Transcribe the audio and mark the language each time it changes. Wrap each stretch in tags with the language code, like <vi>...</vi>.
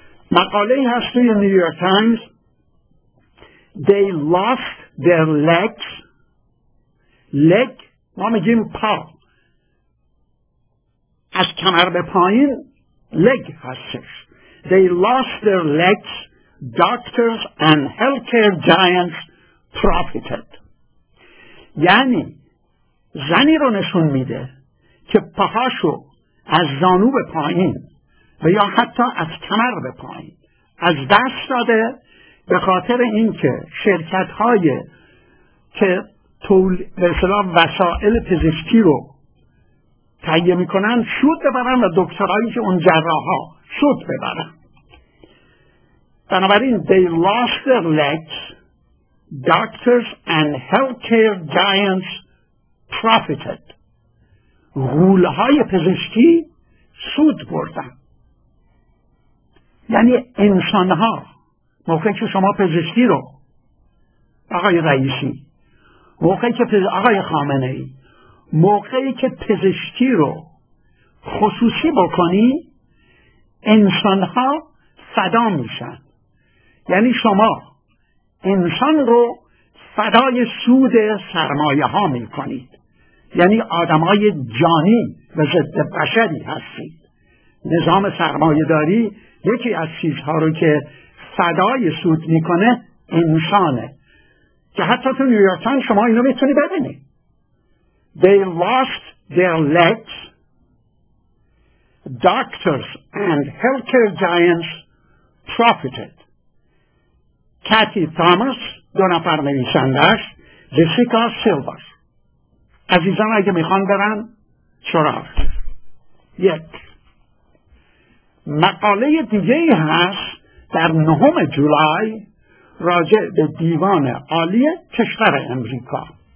<fa>مقاله هست توی نیویورک تایمز،</fa> <en>They lost their legs.</en> <fa>Leg ما میگیم پا، از کمر به پایین leg هستش.</fa> <en>They lost their legs. Doctors and healthcare giants profited.</en> <fa>یعنی زنی رو نشون میده که پاهاشو از زانو به پایین و یا حتی از کمر به پایین از دست داده، به خاطر اینکه شرکت‌های که تول به اصطلاح وسایل پزشکی رو تهیه می‌کنن سود ببرن و دکترایی که اون جراح‌ها سود ببرن. بنابراین</fa> <en>they lost their legs, doctors and healthcare giants profited.</en> <fa>غول‌های پزشکی سود بردن. یعنی انسان‌ها موقعی که شما پزشکی رو آقای رئیسی، موقعی که آقای خامنه‌ای، موقعی که پزشکی رو خصوصی بکنی، انسان‌ها فدا میشن. یعنی شما انسان رو فدای سود سرمایه ها میکنید. یعنی آدمای جانی و ضد بشری هستید. نظام سرمایه داری یکی از چیزها رو که فدای سود میکنه انسانه، که حتی تو نیویورک تایمز شما اینو میتونی ببینی.</fa> <en>They lost their legs. Doctors and healthcare giants profited.</en> <fa>کاتی تامس، دو نفر نویسندش، جسیکا سیلبر. عزیزان اگه میخوان برن چراغ. یک مقاله دیگه هست در 9 جولای راجع به دیوان عالی کشور امریکا.</fa>